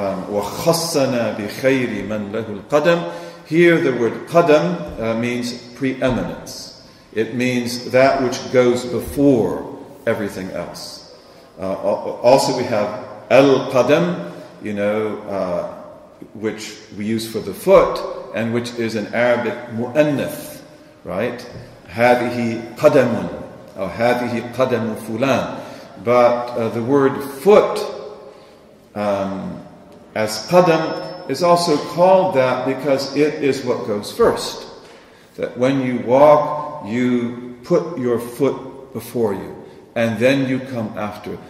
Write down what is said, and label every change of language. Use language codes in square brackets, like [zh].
[ar] وَخَصَّنَا بِخَيْرِ مَنْ لَهُ الْقَدَمُ. [en] Here the word qadam means preeminence. It means that which goes before everything else. Also we have al-qadam, you know, which we use for the foot, and which is an Arabic mu'annath, right? [ar] هَذِهِ قَدَمٌ or هَذِهِ قَدَمُ فُلَانٌ. [en] But the word foot as qadam is also called that because it is what goes first. That when you walk, you put your foot before you, and then you come after.